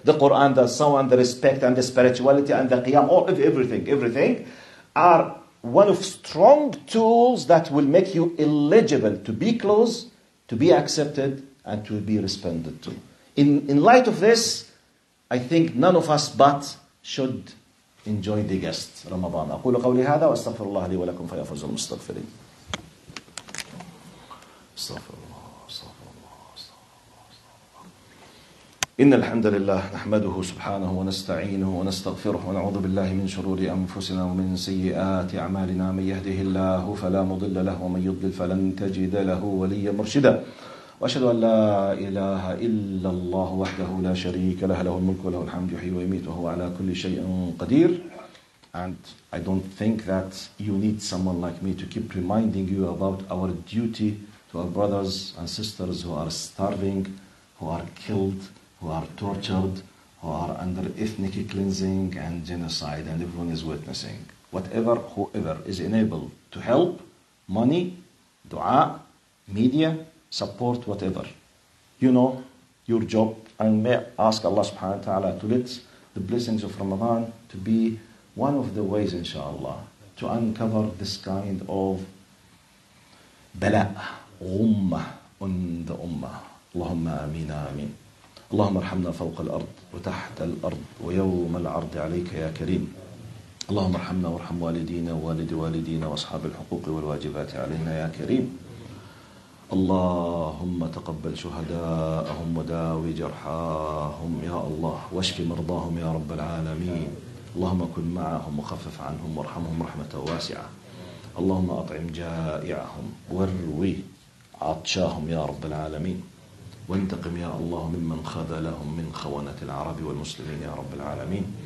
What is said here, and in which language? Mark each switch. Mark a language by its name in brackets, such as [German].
[English] The Quran, the Psalm, and the respect, and the spirituality, and the Qiyam, all of everything, are one of strong tools that will make you eligible to be close, to be accepted and to be responded to. In light of this, I think none of us but should enjoy the guest Ramadan. [Arabic] أقول قولي هذا وأستغفر الله لي ولكم فيغفر ذنوب المستغفرين. إن الحمد لله نحمده سبحانه ونستعينه ونستغفره ونعوذ بالله من شرور أنفسنا ومن سيئات أعمالنا من يهده الله فلا مضل له ومن يضلل فلن تجد له وليا مرشدا وأشهد أن لا إله إلا الله وحده لا شريك له له الملك وله الحمد يحيي ويميت وهو على كل شيء قدير. [English] And I don't think that you need someone like me to keep reminding you about our duty to our brothers and sisters who are starving, who are killed, who are tortured, who are under ethnic cleansing and genocide, and everyone is witnessing. Whatever, whoever is enabled to help, money, dua, media, support, whatever. You know your job, and may ask Allah [Arabic] subhanahu wa ta'ala [English] to let the blessings of Ramadan to be one of the ways, inshallah, to uncover this kind of bala' ummah on the ummah. [Arabic] Allahumma ameen, ameen. اللهم ارحمنا فوق الأرض وتحت الأرض ويوم العرض عليك يا كريم اللهم ارحمنا وارحم والدينا ووالد والدينا وأصحاب الحقوق والواجبات علينا يا كريم اللهم تقبل شهداءهم وداوي جرحاهم يا الله واشف مرضاهم يا رب العالمين اللهم كن معهم وخفف عنهم وارحمهم رحمة واسعة اللهم أطعم جائعهم واروي عطشاهم يا رب العالمين وانتقم يا الله ممن خذلهم من خونة العرب والمسلمين يا رب العالمين